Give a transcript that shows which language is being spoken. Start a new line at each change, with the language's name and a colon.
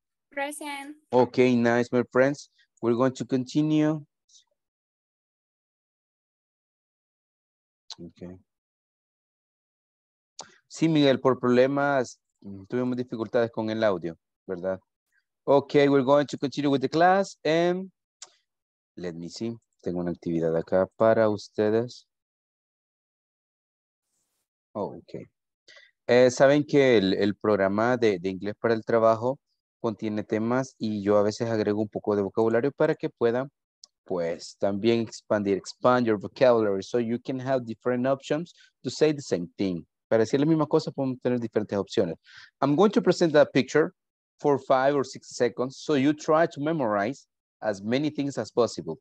English: Present. Okay, nice, my friends. We're going to continue. Okay.
Spanish: Sí, Miguel, por problemas, tuvimos dificultades con el audio. ¿Verdad?
English: Okay, we're going to continue with the class and let me see.
Spanish: Tengo una actividad acá para ustedes. Oh, okay. Saben que el programa de inglés para el trabajo contiene temas y yo a veces agrego un poco de vocabulario para que puedan, pues, también
English: expand your vocabulary so you can have different options to say the same thing.
Spanish: Para decir la misma cosa, podemos tener diferentes opciones.
English: I'm going to present that picture for 5 or 6 seconds, so you try to memorize as many things as possible.